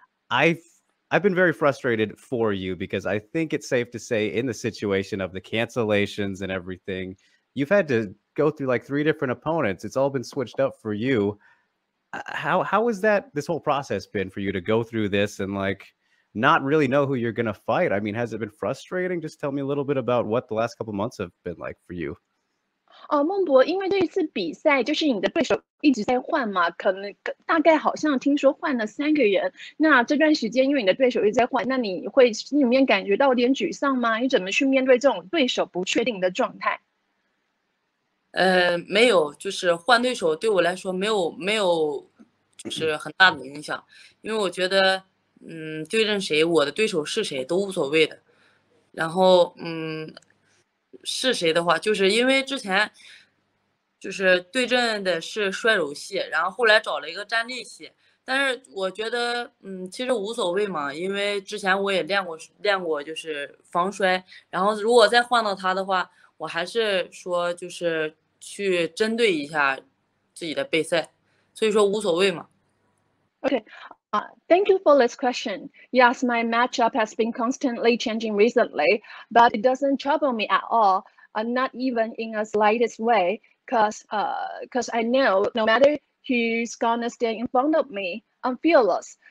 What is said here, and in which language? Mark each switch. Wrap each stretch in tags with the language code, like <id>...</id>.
<en>I've been very frustrated for you because I think it's safe to say in the situation of the cancellations and everything, you've had to go through like three different opponents. It's all been switched up for you. How has that, this whole process been for you to go through this and like not really know who you're going to fight? I mean, has it been frustrating? Just tell me a little bit about what the last couple months have been like for you.</en> <zh>孟博，因为这一次比赛就是你的对手一直在换嘛，可能大概好像听说换了三个人，那这段时间因为你的对手一直在换，那你会心里面感觉到有点沮丧吗？你怎么去面对这种对手不确定的状态？没有，就是换对手对我来说没有就是很大的影响，因为我觉得对阵谁我的对手是谁都无所谓的，然后是谁的话，就是因为之前就是对阵的是摔柔系，然后后来找了一个战力系，但是我觉得其实无所谓嘛，因为之前我也练过就是防摔，然后如果再换到他的话，我还是说就是去针对一下自己的备赛，所以说无所谓嘛。</zh> <en>OK, thank you for this question. Yes, my matchup has been constantly changing recently, but it doesn't trouble me at all, not even in a slightest way, because I know no matter who's gonna stand in front of me, I'm fearless.</en>